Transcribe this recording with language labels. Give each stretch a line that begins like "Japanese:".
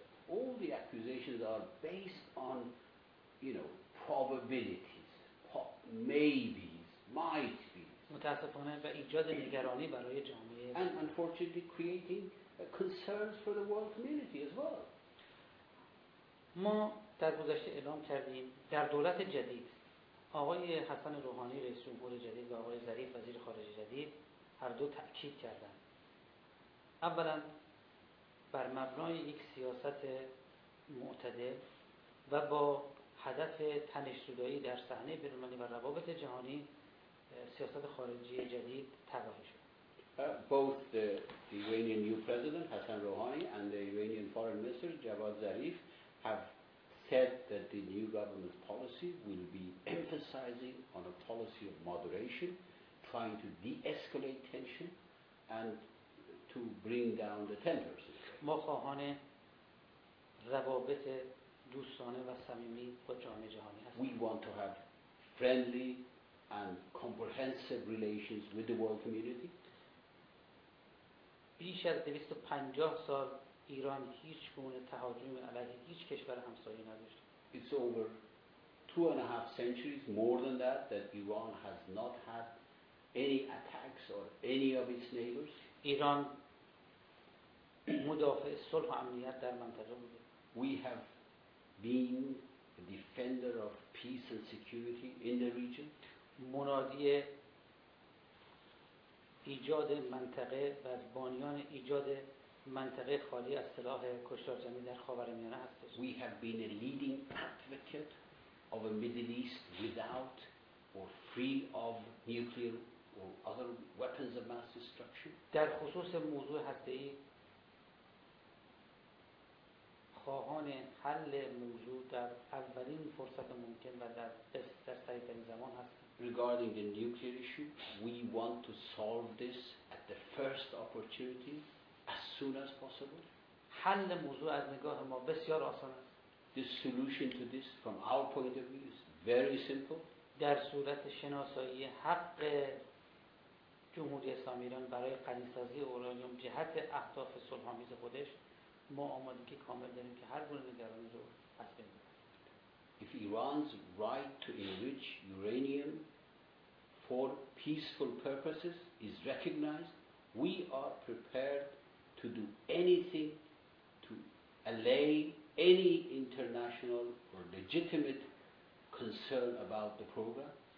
English: All the accusations are based on, probabilities, maybes, might be.
Persian: متاسفانه و ایجاد نگرانی برای جامعه
English: and unfortunately creating concerns for the world community as well.
Persian: ما در گذشته اعلام کردیم در دولت جدید آقای حسن روحانی رئیس جمهور جدید و آقای ظریف وزیر خارجه جدید هر دو تأکید کردند. اولا بر مبنای یک سیاست معتدل و با هدف تنش‌زدایی در صحنه بین‌المللی و روابط جهانی سیاست خارجی جدید طراحی شد.
English: Both the Iranian new president Hassan Rouhani and the Iranian foreign minister Javad Zarif have said that the new government's policy will be emphasizing on a policy of moderation, trying to de-escalate tension and to bring down the tempers.
Persian: ما خواهان روابط دوستانه و صمیمی با جامعه جهانی هستیم.
English: We want to have friendly and comprehensive relations with the world community.
Persian: بیش از 250 سال ایران هیچ گونه تهاجم علیه هیچ کشور همسایه نداشت.
English: It's over 2.5 centuries, more than that, that Iran has not had any attacks on any of its neighbors.
Persian: ایران مدافع صلح و امنیت در منطقه بوده.
English: We have been a defender of peace and security in the region.
Persian: منادی ایجاد منطقه و بانیان ایجاد منطقه خالی از سلاح کشتار جمعی در خاورمیانه هستش.
English: We have been a leading advocate of a Middle East without or free of nuclear or other weapons of mass destruction.
Persian: در خصوص موضوع هسته‌ای خواهان حل موضوع در اولین فرصت ممکن و در سریع‌ترین زمان هستیم.
English: Regarding the nuclear issue, we want to solve this at the first opportunity, as soon as possible.
Persian: حل موضوع از نگاه ما بسیار آسان است.
English: The solution to this, from our point of view, is very simple.
Persian: در صورت شناسایی حق جمهوری اسلامی ایران برای غنی‌سازی اورانیوم جهت اهداف صلح‌آمیز خودش، ما آمادگی کامل داریم که هر گونه نگرانی رو از بین ببریم.
English: If Iran's right to enrich uranium for peaceful purposes is recognized, we are prepared to do anything to allay any international or legitimate concern about the program.